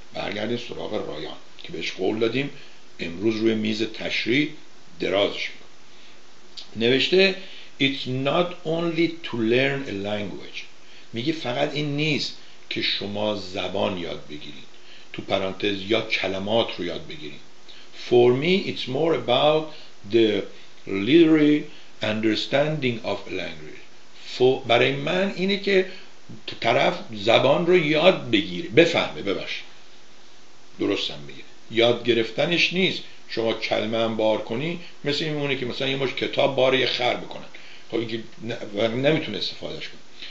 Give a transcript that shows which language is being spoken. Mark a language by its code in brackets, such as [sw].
[fa] برگردیم سراغ رایان که بهش قول دادیم امروز روی میز تشریع درازش میکنه. نوشته [en] It's not only to learn a language، [fa] میگه فقط این نیست که شما زبان یاد بگیرید، تو پرانتز یا کلمات رو یاد بگیرید. [en] For me it's more about the literary understanding of a language. [fa] برای من اینه که طرف زبان رو یاد بگیره، بفهمه، ببخشید درستم بگیره. یاد گرفتنش نیست. شما کلمه هم بار کنی مثل این مونه که مثلا یه مش کتاب بار یه خر بکنن، خب اینکه نمیتونه استفادهش کنه.